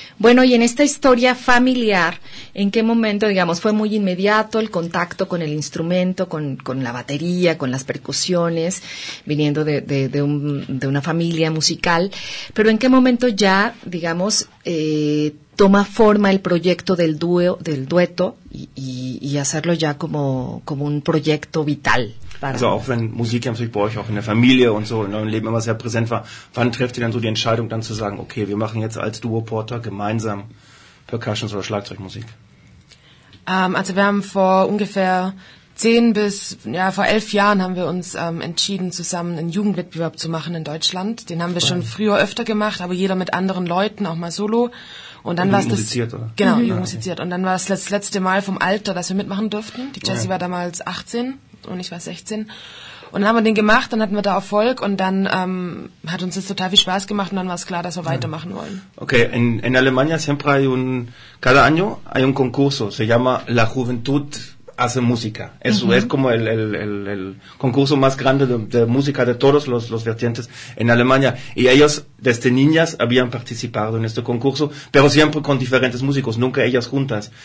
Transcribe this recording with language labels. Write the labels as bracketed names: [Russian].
[Spanish] Bueno, y en esta historia familiar, ¿en qué momento, digamos, fue muy inmediato el contacto con el instrumento, con la batería, con las percusiones, viniendo de una familia musical, pero en qué momento ya, digamos, toma forma el proyecto del dúo, del dueto y hacerlo ya como, como un proyecto vital? [German] Also auch wenn Musik ja natürlich bei euch auch in der Familie und so in eurem Leben immer sehr präsent war, wann trefft ihr dann so die Entscheidung dann zu sagen, okay, wir machen jetzt als Duo Porter gemeinsam Percussions oder Schlagzeugmusik? Also wir haben vor ungefähr 11 Jahren haben wir uns entschieden, zusammen einen Jugendwettbewerb zu machen in Deutschland. Den haben wir schon früher öfter gemacht, aber jeder mit anderen Leuten, auch mal solo. Und dann war es das, genau, musiziert. Und dann war es das letzte Mal vom Alter, dass wir mitmachen durften. Die Jessie war damals 18 und ich war 16. Und dann haben wir den gemacht, dann hatten wir da Erfolg und dann hat uns das total viel Spaß gemacht und dann war es klar, dass wir weitermachen wollen. [Spanish] Okay, en Alemania siempre hay un, cada año hay un concurso, se llama La Juventud hace música. Eso es como el concurso más grande de música de todos los vertientes en Alemania. Y ellos, desde niñas, habían participado en este concurso, pero siempre con diferentes músicos, nunca ellas juntas.